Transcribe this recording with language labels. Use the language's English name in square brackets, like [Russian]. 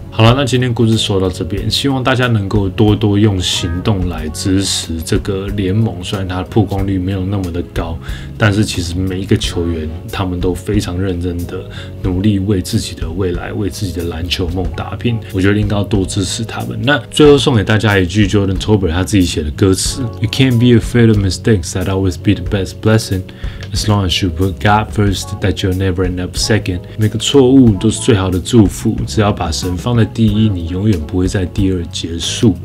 [Chinese] 好了，那今天故事说到这边，希望大家能够多多用行动来支持这个联盟，虽然它曝光率没有那么的高，但是其实每一个球员他们都非常认真的努力为自己的未来、为自己的篮球梦打拼，我觉得应该要多支持他们。那最后送给大家一句 [English] Jordan Tolbert [Chinese] 他自己写的歌词： [English] You can't be afraid of mistakes that always be the best blessing as long as you put God first that you'll never end up second。 [Chinese] 每个错误都是最好的祝福，只要把神放在第一，你永远不会在第二结束。